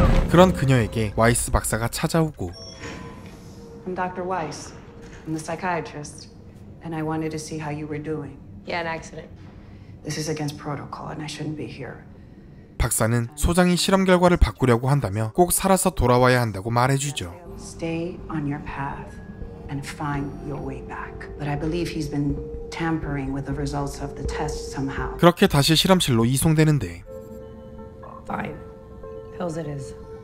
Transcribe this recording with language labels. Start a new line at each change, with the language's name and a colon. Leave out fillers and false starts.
Korean: 그런 그녀에게 와이스 박사가 찾아오고
English: I'm Dr. Weiss. I'm the psychiatrist. And I wanted to see how you were doing. Yeah, an accident. This is against protocol and I shouldn't be here.
Korean: 박사는 소장이 실험 결과를 바꾸려고 한다며 꼭 살아서 돌아와야 한다고 말해주죠.
English: Stay on your path and find your way back. But I believe he's been tampering with the results of the test somehow.
Korean: 그렇게 다시 실험실로 이송되는데
English: Fine. Pills it is.